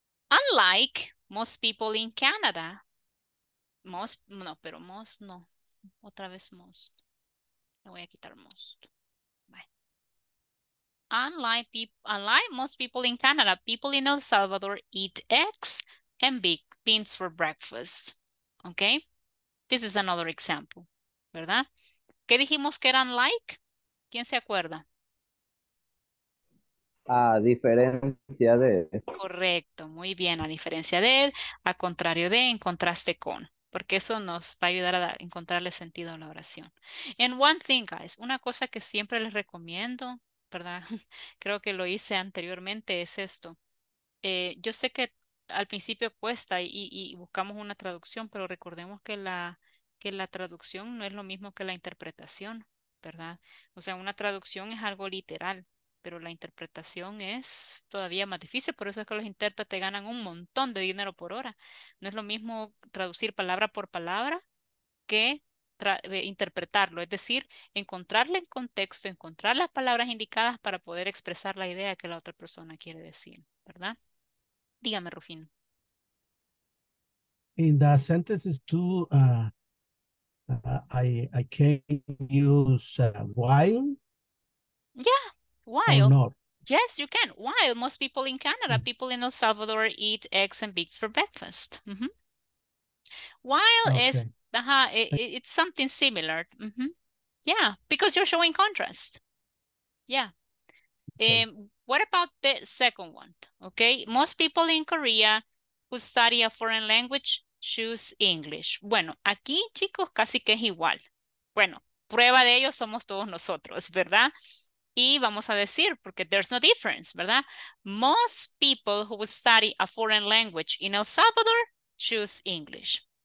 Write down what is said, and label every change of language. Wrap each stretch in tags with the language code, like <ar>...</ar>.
<en>Unlike most people in Canada, Unlike most people in Canada, people in El Salvador eat eggs and big beans for breakfast. Okay? This is another example, ¿verdad?</en> <es>¿Qué dijimos que eran like? ¿Quién se acuerda? A diferencia de. Correcto, muy bien. A diferencia de, a contrario de, en contraste con. Porque eso nos va a ayudar a encontrarle sentido a la oración.</es> <en>And one thing, guys,</en> <es>una cosa que siempre les recomiendo, ¿verdad? Creo que lo hice anteriormente, es esto. Yo sé que al principio cuesta y buscamos una traducción, pero recordemos que la traducción no es lo mismo que la interpretación, ¿verdad? O sea, una traducción es algo literal, pero la interpretación es todavía más difícil, por eso es que los intérpretes ganan un montón de dinero por hora. No es lo mismo traducir palabra por palabra que interpretarlo, es decir, encontrarle el contexto, encontrar las palabras indicadas para poder expresar la idea que la otra persona quiere decir, ¿verdad? Dígame, Rufín.</es> <en>In the sentences to, I can use while? Yeah. While, yes, you can. While most people in Canada, people in El Salvador eat eggs and beans for breakfast. Mm-hmm. While okay. Is, it's something similar. Mm-hmm. Yeah, because you're showing contrast. Yeah. Okay. What about the second one? Okay, most people in Korea who study a foreign language choose English.</en> <es>Bueno, aquí, chicos, casi que es igual. Bueno, prueba de ello somos todos nosotros, ¿verdad? Y vamos a decir, porque</es> <en>there's no difference,</en> <es>¿verdad?</es> <en>Most people who study a foreign language in El Salvador choose English.</en>